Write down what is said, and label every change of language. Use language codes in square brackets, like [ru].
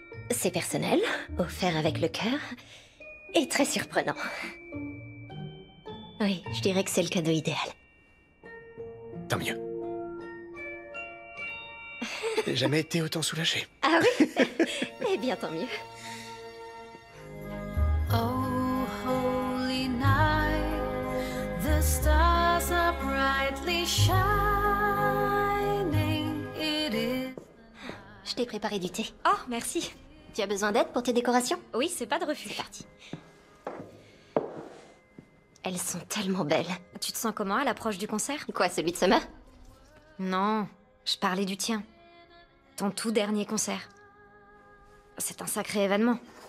[fr] c'est personnel, offert avec le cœur, et très surprenant. Oui, je dirais que c'est le cadeau idéal. Tant mieux. J'ai jamais été autant soulagée. Ah oui? Eh bien, tant mieux. [en] Oh, holy night, the stars are brightly shining, it is [fr] Je t'ai préparé du thé. Oh, merci. Tu as besoin d'aide pour tes décorations? Oui, c'est pas de refus. C'est parti. Elles sont tellement belles. Tu te sens comment à l'approche du concert? Quoi, celui de Summer? Non, je parlais du tien. Ton tout dernier concert. C'est un sacré événement.